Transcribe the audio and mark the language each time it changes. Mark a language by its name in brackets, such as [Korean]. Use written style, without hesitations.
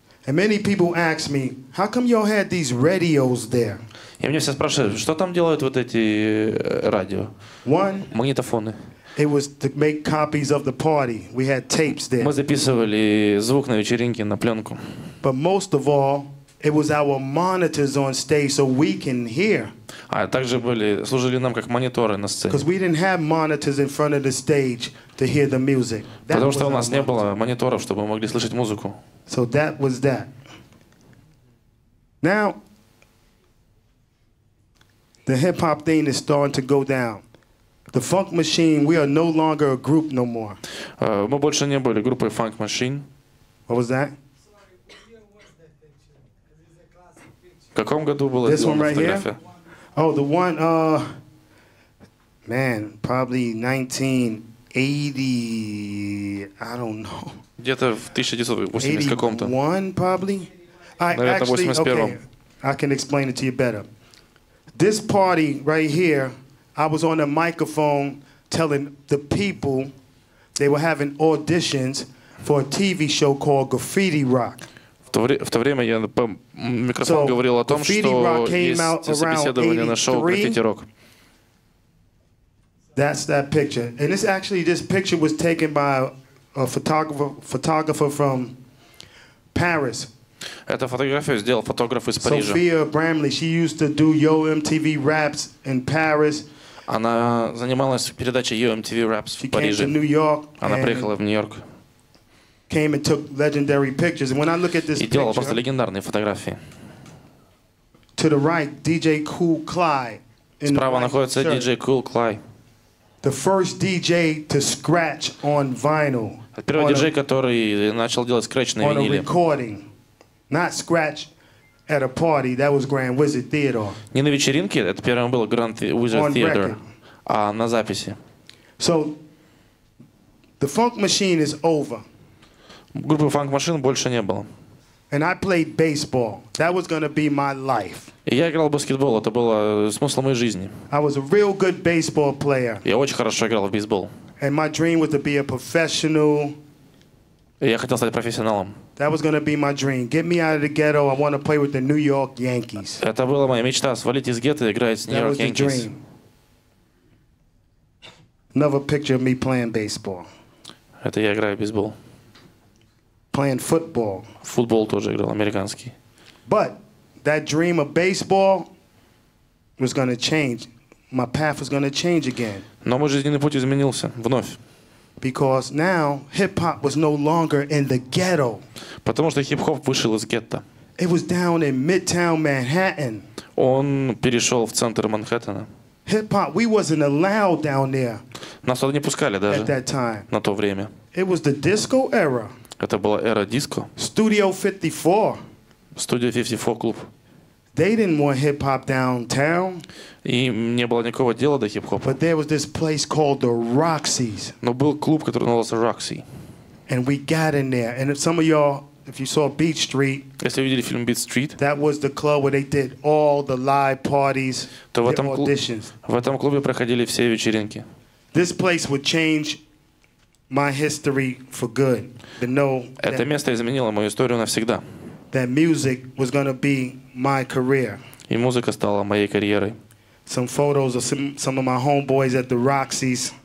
[English] And many people ask me, how come y'all had these radios there? [Russian] И мне все спрашивают, что там делают вот эти радио? [English] One. [Russian] Магнитофоны. [English] It was to make copies of the party. We had tapes there. [Russian] Мы записывали звук на вечеринке на пленку. [English] But most of all, it was our monitors on stage so we can hear. [Russian] А также были служили нам как мониторы на сцене. [English] Because we didn't have monitors in front of the stage to hear the music. [Russian] Потому что у нас не было мониторов, чтобы мы могли слышать музыку. [English] So that was that. Now, the hip-hop thing is starting to go down. The funk machine, we are no longer a group no more. [Russian] Мы больше не были группой funk machine. [English] What was that? [Russian] В каком году была эта фотография? [English] This one right here? Oh, the one, man, probably 1980, I don't know. [Russian] Где-то в 1980 каком-то. [English] 81, probably? I can explain it to you better. This party right here, I was on a microphone telling the people they were having auditions for a TV show called Graffiti Rock. [Russian] В то время я по микрофону говорил о том, что есть собеседование на шоу Graffiti Rock. [English] That's that picture. And this actually, this picture was taken by a photographer from Paris. [Russian] Эту фотографию сделал фотограф из Парижа. [English] Sophia Bramley, she used to do Yo MTV Raps in Paris. [Russian] Она занималась передачей Yo MTV Raps в Париже. Она приехала в Нью-Йорк. [English] Came and took legendary pictures. And when I look at this picture, [Russian] делал просто легендарные фотографии. [English] To the right, DJ Kool Clyde. [Russian] Справа находится DJ Kool Clyde. [English] The first DJ to scratch on vinyl. [Russian] Первый диджей, который начал делать скретч на виниле. [English] On a recording, not scratch at a party. That was Grand Wizard Theater. [Russian] Не на вечеринке, это первым было Grand Wizard Theater, а на записи. [English] So the funk machine is over. [Russian] Группы Funk Machine больше не было. [English] And I played baseball. That was gonna be my life. [Russian] И я играл в баскетбол. Это было смыслом моей жизни. [English] I was a real good baseball player. [Russian] Я очень хорошо играл в бейсбол. [English] And my dream was to be a professional. [Russian] И я хотел стать профессионалом. [English] That was gonna be my dream. Get me out of the ghetto. I want to play with the New York Yankees. [Russian] Это была моя мечта — свалить из гетто и играть с Нью-Йорк Янкис. [English] That was the dream. Another picture of me playing baseball. [Russian] Это я играю в бейсбол. [English] Playing football. [Russian] Футбол тоже играл американский. [English] But that dream of baseball was gonna change. My path was gonna change again. [Russian] Но мой жизненный путь изменился вновь. [English] Because now hip-hop was no longer in the ghetto. [Russian] Потому что хип-хоп вышел из гетто. [English] It was down in Midtown Manhattan. [Russian] Он перешел в центр Манхэттена. [English] Hip-hop, we wasn't allowed down there. [Russian] Нас туда не пускали даже. [English] At that time. [Russian] На то время. [English] It was the disco era. [Russian] Это была эра диско. [English] Studio 54. [Russian] Studio 54 клуб. [English] They didn't want hip-hop downtown. [Russian] Им не было никакого дела до хип-хопа. [English] But there was this place called the Roxy's. [Russian] Но был клуб, который назывался Roxy. [English] And we got in there. And if some of y'all, if you saw Beat Street. [Russian] Если вы видели фильм Beat Street. [English] That was the club where they did all the live parties, [Russian] то [English] the auditions. [Russian] В этом клубе проходили все вечеринки. [English] This place would change my history for good. To know that, [Russian] это место изменило мою историю навсегда. [English] That music was gonna be my career. [Russian] И музыка стала моей карьерой. [English] Some photos of some of my homeboys at the Roxy's.